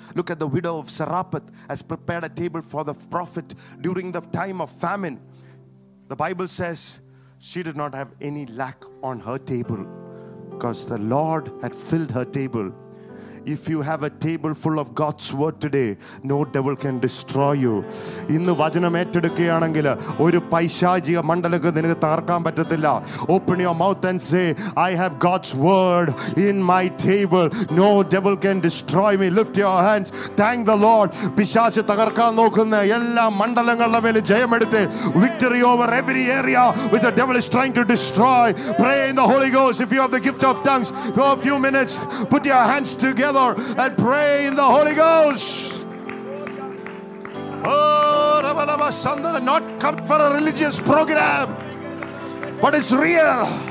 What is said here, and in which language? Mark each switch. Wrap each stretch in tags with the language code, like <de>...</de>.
<en>Look at the widow of Zarephath has prepared a table for the prophet during the time of famine. The Bible says she did not have any lack on her table because the Lord had filled her table. If you have a table full of God's word today, no devil can destroy you.</en> <ml>ഇന്ന് വചനം ഏറ്റെടുക്കുകയാണെങ്കിൽ ഒരു പൈശാചിക മണ്ഡലത്തെ നിനക്ക് തകർക്കാൻ പറ്റത്തില്ല.</ml> <en>Open your mouth and say, I have God's word in my table. No devil can destroy me. Lift your hands. Thank the Lord.</en> <ml>പിശാച് തകർക്കാൻ നോക്കുന്ന എല്ലാ മണ്ഡലങ്ങളുടെ മേലും ജയമെടുത്ത്.</ml> <en>Victory over every area which the devil is trying to destroy. Pray in the Holy Ghost. If you have the gift of tongues, for a few minutes, put your hands together and pray in the Holy Ghost. Oh, Ravalava Sandra, not come for a religious program, but it's real.</en>